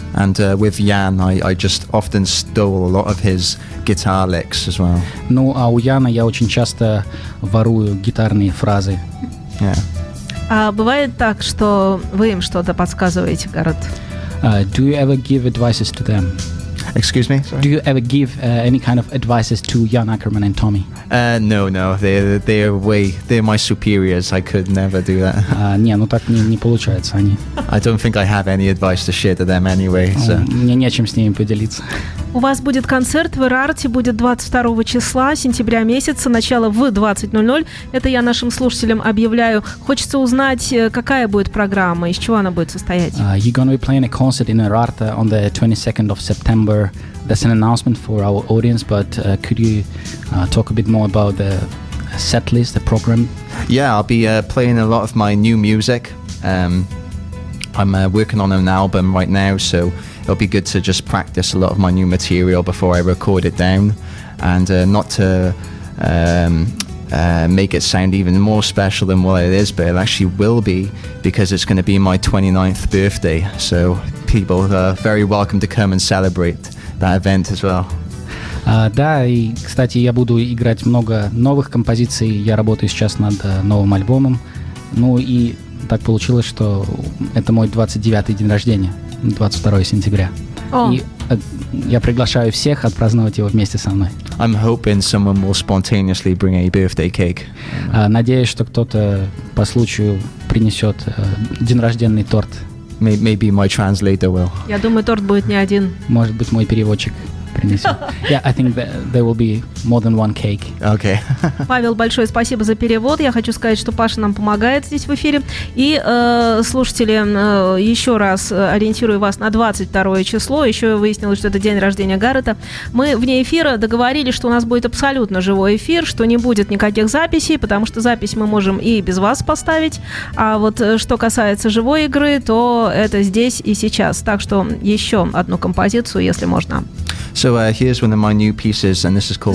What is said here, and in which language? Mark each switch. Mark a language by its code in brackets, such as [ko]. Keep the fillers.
[en] And, Emanuel, way, this, and, says, like and uh, with Jan, I, I, just often stole a lot of his guitar licks as well. [ru] Ну, а у Яна я очень часто ворую гитарные фразы. А бывает так, что вы им что-то подсказываете, город? [en] Uh, do you ever give advices to them? Excuse me. Sorry? Do you ever give uh, any kind of advices to Jan Ackerman and Tommy? Uh, no, no. They they are way they're my superiors. I could never do that. [ru] не, ну так не, получается они. [en] I don't think I have any advice to share to them anyway. [ru] мне нечем с ними поделиться. У вас будет концерт в Ирарте, будет 22 числа сентября месяца, начало в 20.00. Это я нашим слушателям объявляю. Хочется узнать, какая будет программа, из чего она будет состоять. Uh, [en] you're gonna be a concert in Ирарте on the 22nd of September. That's an announcement for our audience, but uh, could you uh, talk a bit more about the set list, the program? Yeah, I'll be uh, playing a lot of my new music. Um, I'm uh, working on an album right now, so it'll be good to just practice a lot of my new material before I record it down and uh, not to um, uh, make it sound even more special than what it is, but it actually will be because it's going to be my 29th birthday. So people are very welcome to come and celebrate that event as well. [ru] да, и, кстати, я буду играть много новых композиций. Я работаю сейчас над новым альбомом. Ну и так получилось, что это мой 29-й день рождения. 22 сентября. Oh. И, я приглашаю всех отпраздновать его вместе со мной. [en] I'm hoping someone will spontaneously bring a birthday cake. Uh, mm-hmm. [ru] uh надеюсь, что кто-то по случаю принесет uh, день рожденный торт. [en] Maybe may my translator will. [ru] Я думаю, торт будет не один. Может быть, мой переводчик. [en] Yeah, I think there will be more than okay. [ru] Павел, большое спасибо за перевод. Я хочу сказать, что Паша нам помогает здесь в эфире. И, э, слушатели, э, еще раз ориентирую вас на 22 число. Еще выяснилось, что это день рождения Гаррета. Мы вне эфира договорились, что у нас будет абсолютно живой эфир, что не будет никаких записей, потому что запись мы можем и без вас поставить. А вот что касается живой игры, то это здесь и сейчас. Так что еще одну композицию, если можно. [en] So uh, here's one of my new pieces, and this is called.